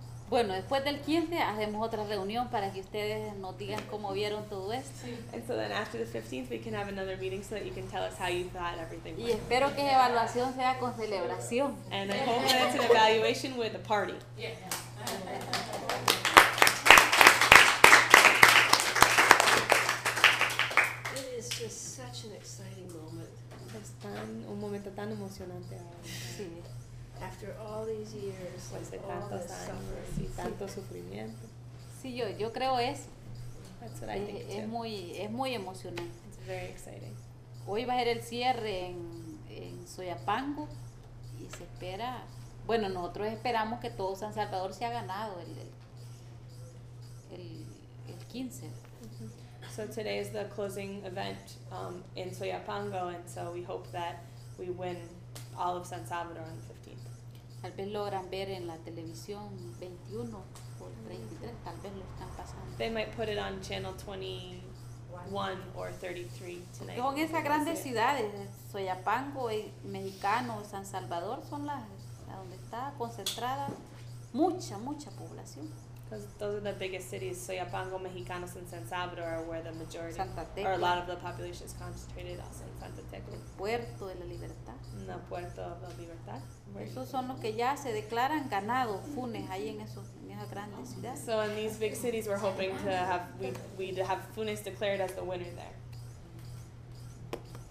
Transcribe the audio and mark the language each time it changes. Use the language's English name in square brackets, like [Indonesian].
[Spanish] Bueno, después del 15 hacemos otra reunión para que ustedes nos digan cómo vieron todo esto. [English] And so then after the 15th we can have another meeting so that you can tell us how you thought everything went. [Spanish] Y espero que evaluación sea con celebración. [English] And I hope that it's an evaluation with a party. Yeah. It is just such an exciting moment. [Spanish] Es un momento tan emocionante. [English] Sí. After all these years, like [Spanish] tanto [English] all this suffering, [Spanish] y tanto sufrimiento. Sí, yo creo eso. [English] That's what I think. [Spanish] Es muy emocionante. [English] It's very exciting. [Spanish] Hoy va a ser el cierre en Soyapango y se espera. Bueno, nosotros esperamos que todo San Salvador se ha ganado el 15. Mm-hmm. [English] So today is the closing event in Soyapango, and so we hope that we win all of San Salvador on the 15th. [Spanish] Tal vez logran ver en la televisión 21 por 33, tal vez lo están pasando. [English] They might put it on channel 21 or 33 tonight. [Spanish] Son esas grandes ciudades, Soyapango, Mexicano, San Salvador, son las donde está concentrada mucha, mucha población. [English] Because those are the biggest cities, Soyapango, Mexicano, and San Salvador are where the majority, [Spanish] Santa Tecla, [English] or a lot of the population is concentrated, also in Santa Tecla. [Spanish] El Puerto de la Libertad. No, Puerto de la Libertad. Esos son los que ya se declaran ganados, Funes, ahí en esas grandes ciudades. [English] So in these big cities, we're hoping to have, we'd have Funes declared as the winner there.